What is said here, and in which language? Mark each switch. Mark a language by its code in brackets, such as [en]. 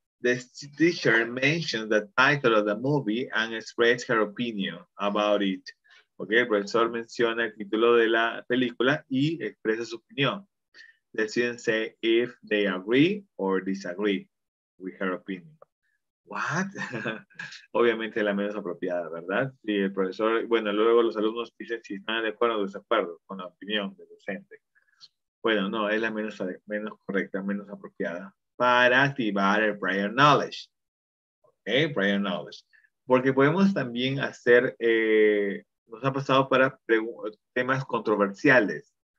[en] The teacher mentions the title of the movie and expressed her opinion about it. [es] Okay, profesor menciona el título de la película y expresa su opinión. [en] The students say if they agree or disagree with her opinion. What? [es] Obviamente la menos apropiada, ¿verdad? Sí, el profesor, bueno, luego los alumnos dicen si están de acuerdo o desacuerdo con la opinión del docente. Bueno, no, es la menos correcta, menos apropiada para activar el prior knowledge. Ok, prior knowledge. Porque podemos también hacer, nos ha pasado para temas controversiales.